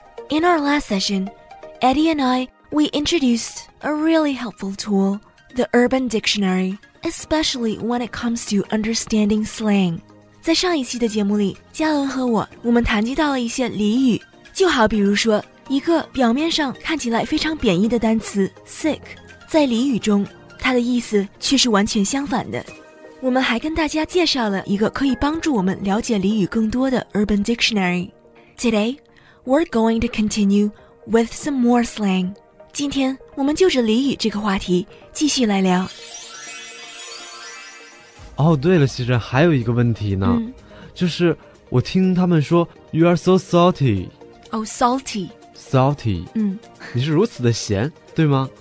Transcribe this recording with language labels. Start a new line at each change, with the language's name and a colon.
English: In our last session, Eddie and I, we introduced a really helpful tool, the Urban Dictionary, especially when it comes to understanding slang.
Chinese: 在上一期的节目里，嘉恩和我们谈及到了一些俚语，就好比如说一个表面上看起来非常贬义的单词 sick， 在俚语中它的意思却是完全相反的。我们还跟大家介绍了一个可以帮助我们了解俚语更多的 Urban Dictionary。
English: Today, we're going to continue with some more slang.
Chinese: 今天我们就着俚语这个话题继续来聊。哦，对了，其实还有一个问题呢，就是我听他们说
English: You are so salty. Oh, salty.
Chinese: Salty. 你是如此的咸，对吗？